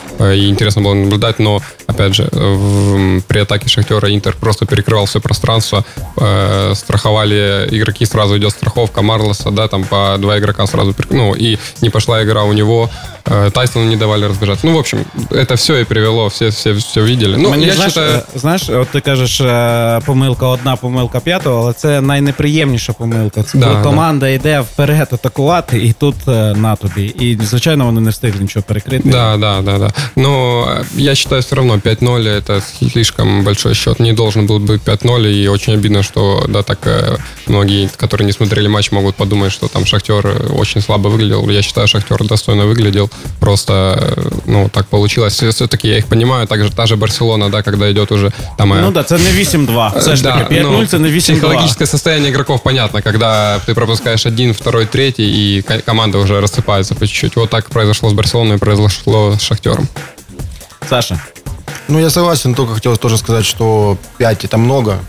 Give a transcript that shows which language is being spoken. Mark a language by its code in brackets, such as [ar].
[ru] И интересно было наблюдать. Но, опять же, при атаке Шахтера Интер просто перекрывал все пространство. Страховали игроки, сразу идет страховка Марлоса, да, там по два игрока сразу. Ну, и не пошла игра у него. Тайсону не давали разбежаться. Ну, в общем, это все и привело. Все видели. Ну, [uk] Знаешь, вот ты кажешь, помилка одна, помилка п'ятого, але це найнеприємніше. Найприємніша помилка. Це да, коли команда йде вперед атакувати, і тут на тобі. І, звичайно, вони не встигли нічого перекрити. Так, да. Ну, я вважаю, все одно 5-0 – це [ru] слишком великий счет. [uk] Не должен був бути 5-0, і дуже обідно, що да, так многі, які [ru] не смотрели матч, [uk] можуть подумати, що там Шахтер дуже слабо виглядав. Я вважаю, Шахтер достойно виглядав. Просто ну, так вийшло. Все-таки я їх розумію. Також та же Барселона, да, коли йде вже там... Ну, да, це не 8-2. Все ж таки, 5-0 – це не 8-2. [ru] Психологічне состояние игроков понятно, когда ты пропускаешь один, второй, третий, и команда уже рассыпается по чуть-чуть. Вот так произошло с Барселоной, произошло с Шахтером. Саша, Ну, я согласен, только хотел тоже сказать, что 5 это много.